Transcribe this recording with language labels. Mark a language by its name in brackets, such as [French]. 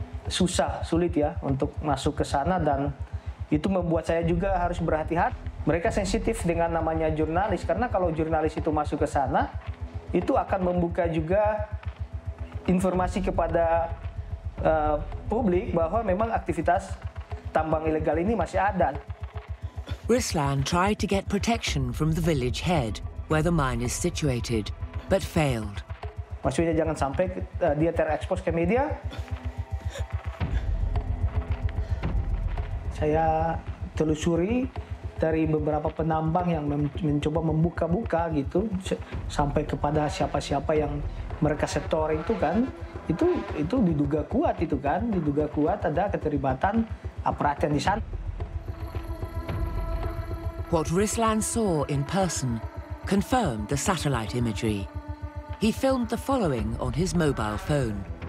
[Indonesian] Susah, sulit ya untuk masuk ke sana dan itu membuat saya juga harus berhati-hati. Mereka sensitif dengan namanya jurnalis, karena kalau jurnalis itu masuk ke sana, itu akan membuka juga informasi kepada publik bahwa memang aktivitas tambang ilegal ini masih ada. [English] Ruslan tried to get protection from the village head where the mine is situated, but failed. [Indonesian] Maksudnya jangan sampai dia terekspos ke media. Saya telusuri dari beberapa penambang yang mencoba membuka-buka gitu sampai kepada siapa-siapa yang mereka setor itu kan itu diduga kuat itu kan diduga kuat ada keterlibatan aparat yang di sana. [English] What Ruslan saw in person confirmed the satellite imagery. He filmed the following on his mobile phone.